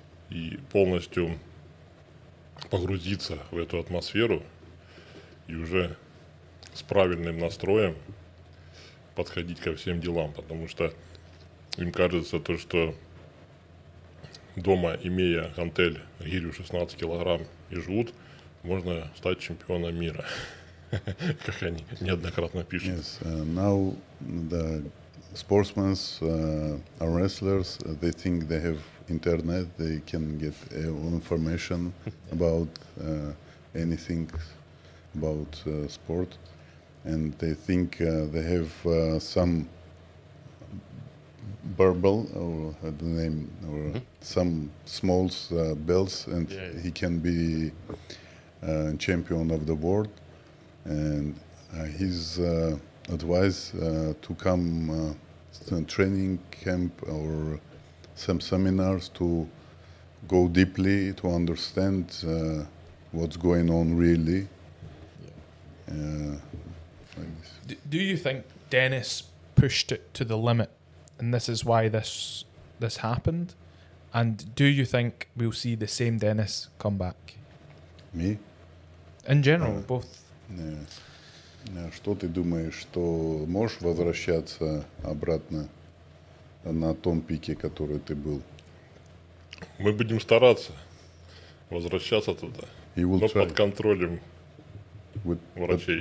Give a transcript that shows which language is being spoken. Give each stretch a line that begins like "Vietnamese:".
Russian: и полностью погрузиться в эту атмосферу и уже с правильным настроем подходить ко всем делам, потому что им кажется то, что дома, имея гантель, гирю 16 килограмм и жгут, можно стать чемпионом мира, как они неоднократно пишут.
English: Yes, now the sportsmen, wrestlers, they think they have internet, they can get information about anything about sport, and they think they have some barbell or the name or some small belts, and he can be champion of the world, and his advice to come to training camp or some seminars to go deeply to understand what's going on really. Do you think Denis pushed it to the limit, and this is why this happened? And do you think we'll see the same Denis come back? Me? In general, both.
Russian: Что ты думаешь, что можешь возвращаться обратно на том пике, который ты был? Мы будем стараться возвращаться туда. Но под контролем врачей.